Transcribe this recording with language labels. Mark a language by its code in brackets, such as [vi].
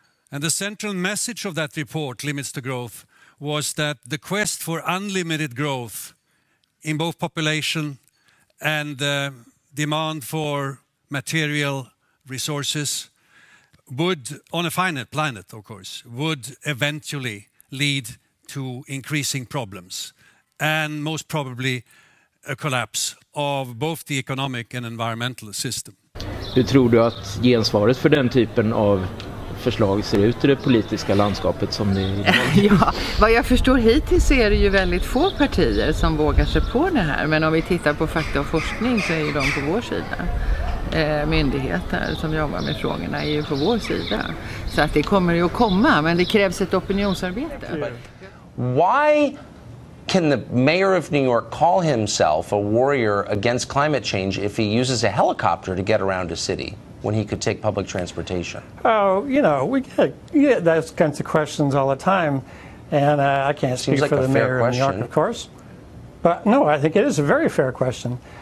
[en] And the central message of that report, Limits to Growth, was that the quest for unlimited growth in both population and demand for material resources would, on a finite planet, of course, would eventually lead to increasing problems and most probably a collapse of both the economic and environmental system. [sv] Du tror du att gensvaret för den typen av förslag ser ut i det politiska landskapet som ni... Ja, vad jag förstår hittills är det ju väldigt få partier som vågar sig på det här. Men om vi tittar på fakta och forskning så är ju de på vår sida. Myndigheter som jobbar med frågorna är ju på vår sida. Så att det kommer ju att komma, men det krävs ett opinionsarbete. [en] Why can the mayor of New York call himself a warrior against climate change if he uses a helicopter to get around a city? When he could take public transportation? Oh, you know, we get those kinds of questions all the time. And I can't speak for the mayor of New York, of course. But no, I think it is a very fair question.